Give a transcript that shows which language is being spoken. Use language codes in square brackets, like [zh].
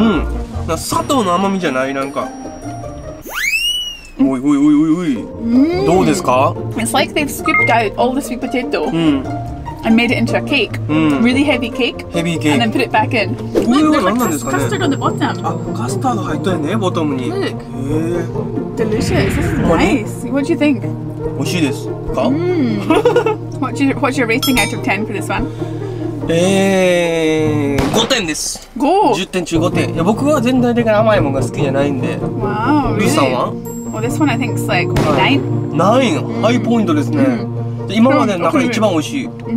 [ja] うん、なんか砂糖の甘みじゃない、なんか。おいおいおいおいおい、どうですか。 [en] It's like they've scooped out all the sweet potato and made it into a cake. Really heavy cake. Heavy cake. And then put it back in. [ja] これは何なんですかね。 [en] Custard on the bottom. [ja] あ、カスタード入っとるね、ボトムに。 [en] Look. Delicious. This is nice. What do you think? [ja] 美味しいですか。 [en] What's your rating out of 10 for this one? [ja] 5点です。 [en] 5? [ja] 10点中5点。いや、僕は全体的に甘いものが好きじゃないんで。 [en] Wow, [ja] ルーさんは？ [en] Well, this one I think is like 9. [ja] 9? ハイポイントですね。今までの中で一番おいしい。